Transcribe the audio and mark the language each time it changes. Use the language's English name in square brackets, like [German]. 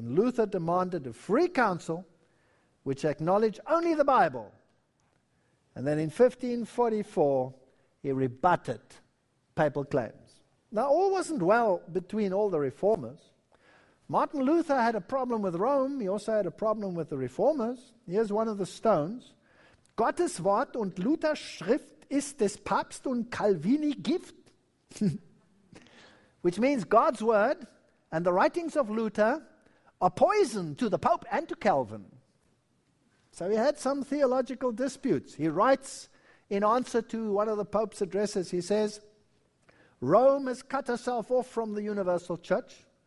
[English] And Luther demanded a free council which acknowledge only the Bible. And then in 1544, he rebutted papal claims. Now, all wasn't well between all the reformers. Martin Luther had a problem with Rome. He also had a problem with the reformers. Here's one of the stones. [German] "Gottes Wort und Luther's Schrift ist des Papst und Calvini Gift." [English] Which means God's word and the writings of Luther are poison to the Pope and to Calvin. So he had some theological disputes. He writes in answer to one of the Pope's addresses, he says, "Rome has cut herself off from the universal church.